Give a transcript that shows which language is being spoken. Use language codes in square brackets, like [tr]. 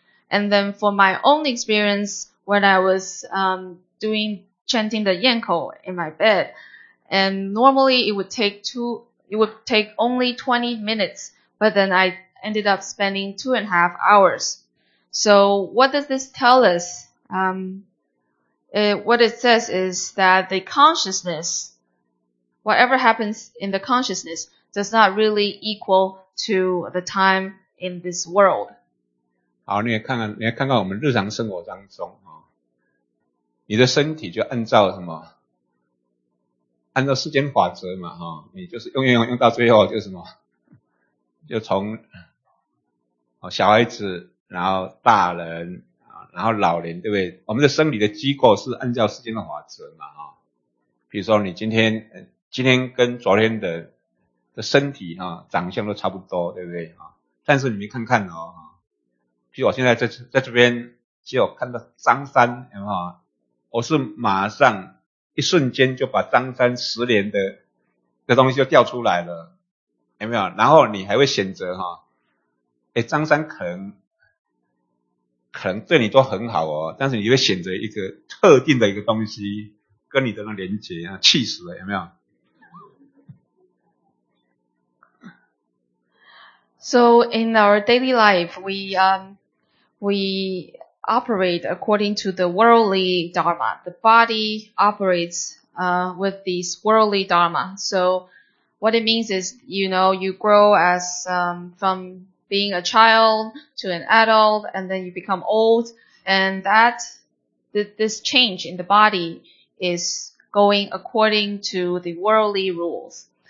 [en] And then for my own experience, when I was chanting the Yanko in my bed, and normally it would take only 20 minutes, but then I ended up spending 2.5 hours. So what does this tell us? What it says is that the consciousness, whatever happens in the consciousness, does not really equal to the time in this world. [zh] 好，你也看看我们日常生活当中，你的身体就按照什么，按照世间法则嘛，你就是用到最后就是什么，就从小孩子，然后大人，然后老人，对不对？我们的生理的机构是按照世间的法则嘛，比如说你今天跟昨天的身体长相都差不多，对不对？但是你们看看哦，比如我现在在这边，只有看到张三，有没有？我是马上一瞬间就把张三十年的东西就掉出来了，有没有？然后你还会选择张三可能对你都很好哦，但是你会选择一个特定的一个东西跟你的那连结啊，气死了，有没有？ [en] So in our daily life, we operate according to the worldly dharma. The body operates with this worldly dharma. So what it means is, you know, you grow as from being a child to an adult, and then you become old, and that this change in the body is going according to the worldly rules.